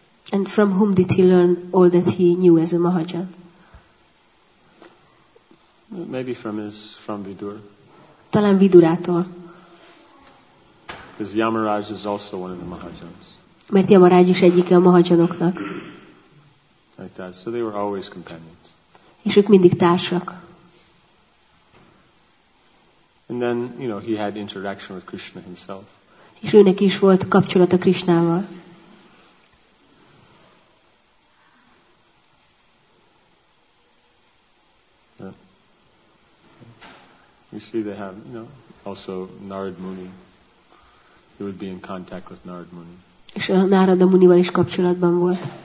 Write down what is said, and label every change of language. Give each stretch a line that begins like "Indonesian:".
English: And from whom did he learn all that he knew as a Mahajan? Maybe from Vidur.
Hungarian: Talán Vidurától.
English: Because Yamaraj is also one of the Mahajans.
Hungarian: Mert Yamaraj is egyike a Mahajanoknak.
English: Like that. So they were always companions.
Hungarian: És ők mindig társak.
English: And then, you know, he had interaction with Krishna himself.
Hungarian: És őnek is volt kapcsolata Krishnával.
English: You see, they have, you know, also Narad Muni. He would be in contact with Narad Muni.
Hungarian: És a Narada Munival is kapcsolatban volt.